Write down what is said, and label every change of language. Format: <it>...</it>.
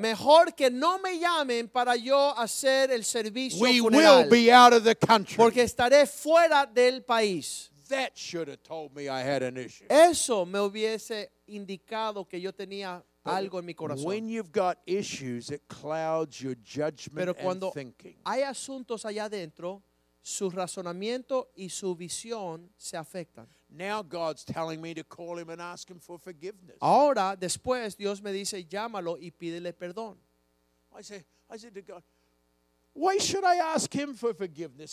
<es>Mejor que no me llamen para yo hacer el servicio funeral.</es> <en>will be out of the country.</en> <es>Porque estaré fuera del país.</es> <en>That should have told me I had an issue.</en> <es>Eso me hubiese indicado que yo tenía algo en mi corazón.</es> <en>When you've got issues, it clouds your judgment and thinking.</en> <es>Hay asuntos allá adentro, su razonamiento y su visión se afectan.</es> <en>Now God's telling me to call him and ask him for forgiveness.</en> <es>Ahora, después, Dios me dice, llámalo y pídele perdón.</es> <en>I said to God, why should I ask him for forgiveness?</en>